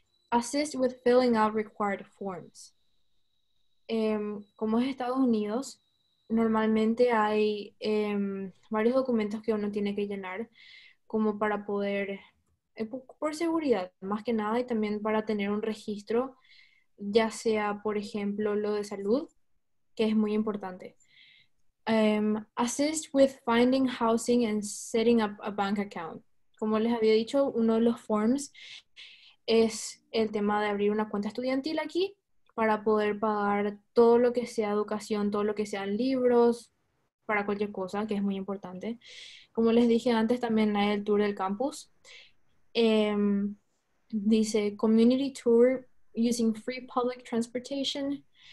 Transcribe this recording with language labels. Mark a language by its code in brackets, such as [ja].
[en] Assist with filling out required forms. [es] Como es Estados Unidos, normalmente hay varios documentos que uno tiene que llenar como para poder, por seguridad, más que nada, y también para tener un registro, ya sea, por ejemplo, lo de salud, que es muy importante. [en] Assist with finding housing and setting up a bank account. [es] Como les había dicho, uno de los forms es el tema de abrir una cuenta estudiantil aquí, para poder pagar todo lo que sea educación, todo lo que sean libros, para cualquier cosa, que es muy importante. Como les dije antes, también hay el tour del campus. Dice, [en] community tour using free public transportation.